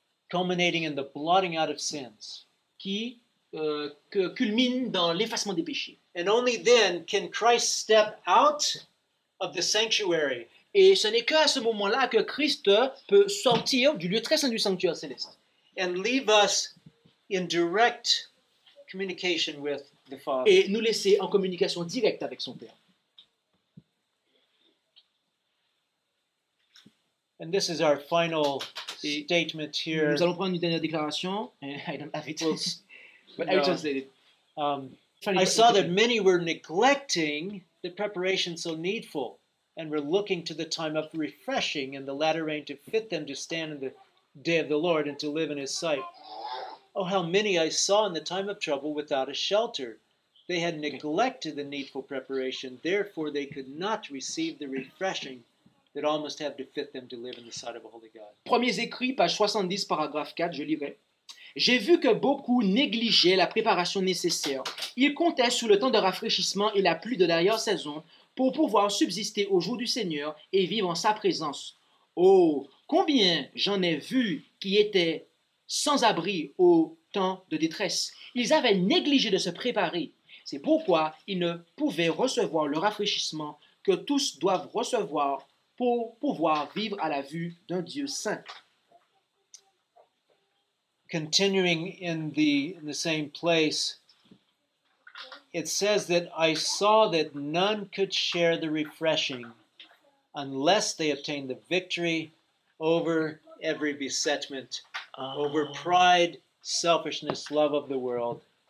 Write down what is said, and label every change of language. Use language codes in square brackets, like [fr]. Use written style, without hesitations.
[en] Culminating in the blotting out of sins. [fr] Qui culmine dans l'effacement des péchés. [en] And only then can Christ step out of the sanctuary. [fr] Et ce n'est qu'à ce moment-là que Christ peut sortir du lieu très saint du sanctuaire céleste. [en] And leave us in direct communication with the Father. [fr] Et nous laisser en communication directe avec son Père. [en] And this is our final statement here. [fr] Nous allons prendre une dernière déclaration. [en] I don't have it. I saw that many were neglecting the preparation so needful and were looking to the time of refreshing in the latter rain to fit them to stand in the day of the Lord and to live in his sight. Oh, how many I saw in the time of trouble without a shelter. They had neglected the needful preparation, therefore they could not receive the refreshing that all must have to fit them to live in the sight of a holy God. [fr] Premiers écrits, page 70, paragraphe 4, je lirai. J'ai vu que beaucoup négligeaient la préparation nécessaire. Ils comptaient sur le temps de rafraîchissement et la pluie de l'arrière saison pour pouvoir subsister au jour du Seigneur et vivre en sa présence. Oh, combien j'en ai vu qui étaient sans abri au temps de détresse. Ils avaient négligé de se préparer. C'est pourquoi ils ne pouvaient recevoir le rafraîchissement que tous doivent recevoir pour pouvoir vivre à la vue d'un Dieu saint. [en] Continuing in the same place, it says that I saw that none could share the refreshing unless they obtained the victory over every besetment, over pride, selfishness, love of the world.